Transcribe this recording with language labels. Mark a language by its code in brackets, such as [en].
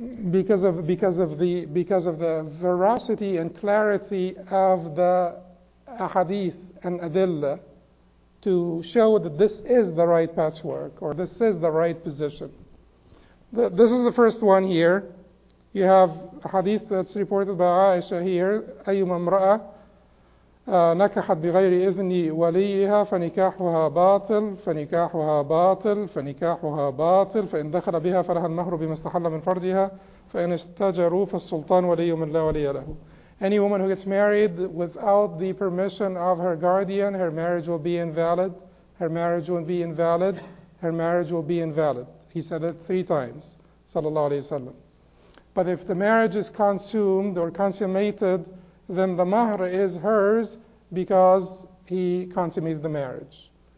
[en] Because of the veracity and clarity of the ahadith and adillah to show that this is the right patchwork or this is the right position. This is the first one here. You have a hadith that's reported by Aisha here. [ar] أيما امرأة نكحت بغير إذن وليها فنكاحها باطل فنكاحها باطل فنكاحها باطل فإن دخل بها فلها المهر بما استحل من فرجها فإن استجروا فالسلطان ولي من لا ولي له. [en] Any woman who gets married without the permission of her guardian, her marriage will be invalid. Her marriage will be invalid. Her marriage will be invalid. He said it three times, sallallahu alayhi wa sallam. But if the marriage is consumed or consummated, then the mahr is hers because he consummated the marriage.